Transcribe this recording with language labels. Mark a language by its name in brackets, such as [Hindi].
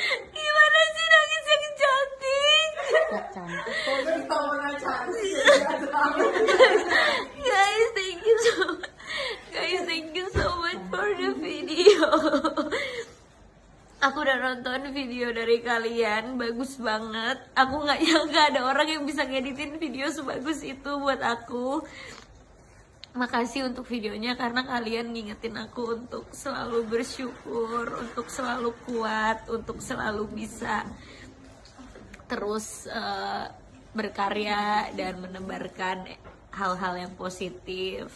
[Indonesian] Gimana sih nangis yang cantik? Gak cantik. Kok bisa ngomongnya cantik? [English] Guys, thank you so much. Guys, thank you so much for the video. [Indonesian] Aku udah nonton video dari kalian, bagus banget. Aku gak nyangka ada orang yang bisa ngeditin video sebagus itu buat aku. Makasih untuk videonya karena kalian ngingetin aku untuk selalu bersyukur, untuk selalu kuat, untuk selalu bisa terus berkarya dan menebarkan hal-hal yang positif.